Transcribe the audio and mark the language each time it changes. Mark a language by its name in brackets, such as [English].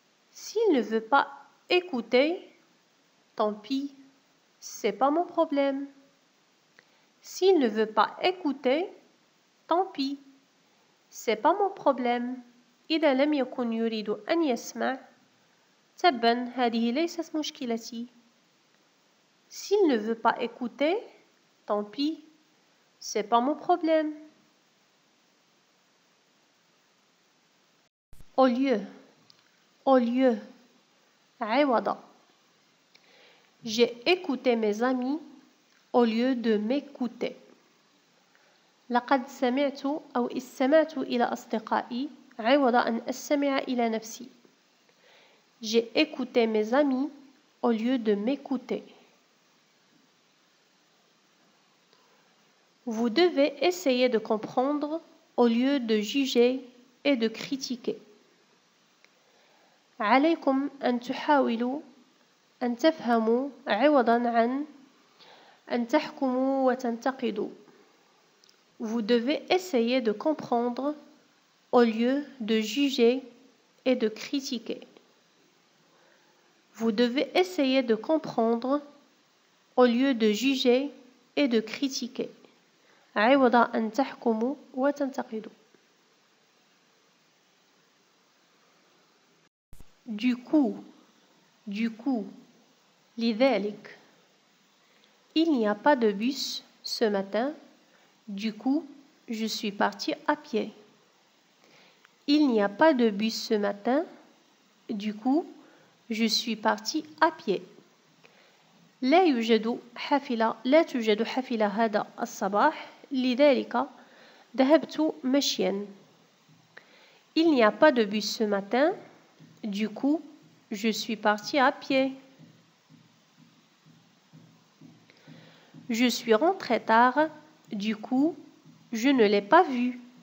[French] S'il ne veut pas écouter, tant pis. C'est pas mon problème. S'il ne veut pas écouter, tant pis. C'est pas mon problème. [Arabic] إذا لم يكن يريد أن يسمع, تبا هذه ليست مشكلتي. [French] S'il ne veut pas écouter, tant pis. C'est pas mon problème. Au lieu. عوضة. J'ai écouté mes amis au lieu de m'écouter. [Arabic] لقد سمعت أو استمعت إلى أصدقائي عوض أن أستمع إلى نفسي. [French] J'ai écouté mes amis au lieu de m'écouter. Vous devez essayer de comprendre au lieu de juger et de critiquer. [Arabic] عليكم أن تحاولوا أن تفهموا عوضا عن أن تحكموا وتنتقدوا. [French] Vous devez essayer de comprendre au lieu de juger et de critiquer. Vous devez essayer de comprendre au lieu de juger et de critiquer. [Arabic] عوض أن تحكموا وتنتقدوا. [French] Du coup, لذلك. Il n'y a pas de bus ce matin, du coup, Je suis partie à pied. Il n'y a pas de bus ce matin. Du coup, je suis partie à pied. [Arabic] لا توجد حافلة هذا الصباح. لذلك ذهبت مشيا. [French] Il n'y a pas de bus ce matin. Du coup, je suis partie à pied. Je suis rentrée tard. Du coup, je ne l'ai pas vu.